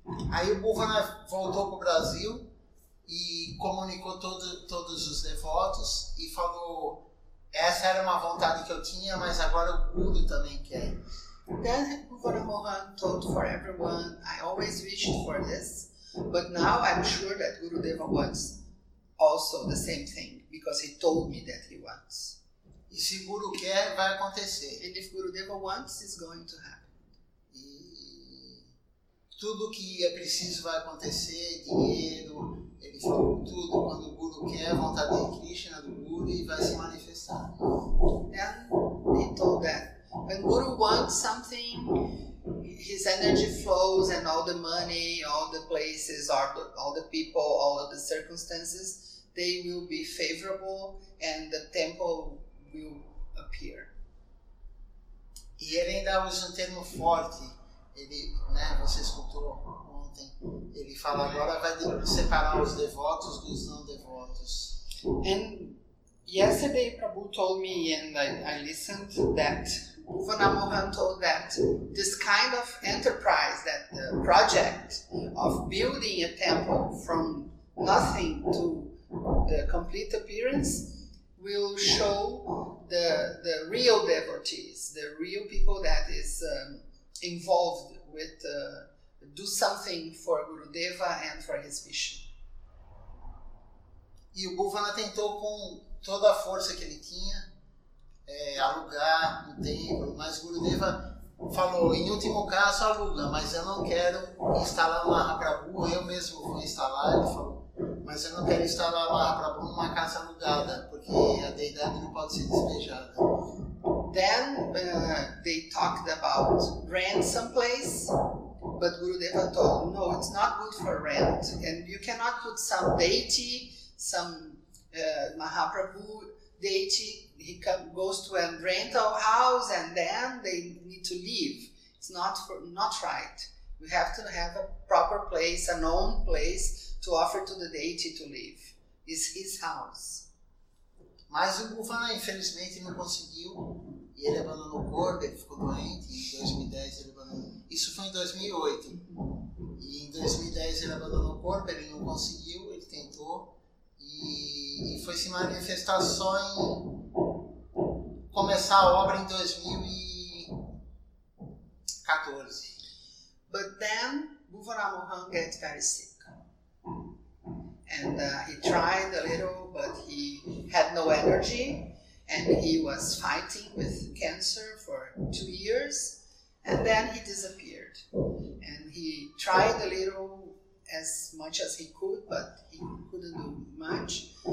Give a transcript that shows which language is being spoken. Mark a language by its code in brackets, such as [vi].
[pt] Aí o Bhuvana voltou para o Brasil e comunicou todos os devotos e falou, essa era uma vontade que eu tinha, mas agora o Guru também quer. [en] Then Bhuvana Mohan told for everyone, I always wished for this, but now I'm sure that Gurudeva wants also the same thing, because he told me that he wants. [pt] E se Guru quer, vai acontecer. [en] And if Gurudeva wants, it's going to happen. [pt] E tudo que é preciso vai acontecer, dinheiro, ele falou tudo, quando o Guru quer, a vontade de Krishna, do Guru, e vai se manifestar. [en] And he told that when Guru wants something, his energy flows and all the money, all the places, all the people, all of the circumstances, they will be favorable and the temple will appear. [pt] E ele ainda usa um termo forte. Ele, né, você escutou ontem, ele fala agora vai separar os devotos dos não devotos. [en] And yesterday Prabhu told me and I listened that Bhuvana Mohan told that this kind of enterprise, that the project of building a temple from nothing to the complete appearance will show the real devotees, the real people that is involved with do something for Gurudeva and for his mission. [pt] E o Bhuvana tentou com toda a força que ele tinha, alugar o templo, mas Gurudeva falou, em último caso aluga, mas eu não quero instalar uma Mahaprabhu, eu mesmo vou instalar, ele falou, mas eu não quero instalar uma Mahaprabhu numa casa alugada, porque a deidade não pode ser despejada. [en] Then they talked about rent someplace, but Gurudeva told, no, it's not good for rent. And you cannot put some deity, some Mahaprabhu deity. He goes to a rental house and then they need to leave. It's not right. We have to have a proper place, a known place to offer to the deity to live. It's his house. [pt] Mas o Guvan, infelizmente, não conseguiu. E ele abandonou o corpo, ele ficou doente. Em 2010 ele abandonou. Isso foi em 2008. E em 2010 ele abandonou o corpo, ele não conseguiu, ele tentou. E foi se manifestar só em começar a obra em 2014. [en] But then Guvanar Mohan got very sick. And he tried a little, but he had no energy. And he was fighting with cancer for 2 years. And then he disappeared. And he tried a little as much as he could, but he couldn't do much.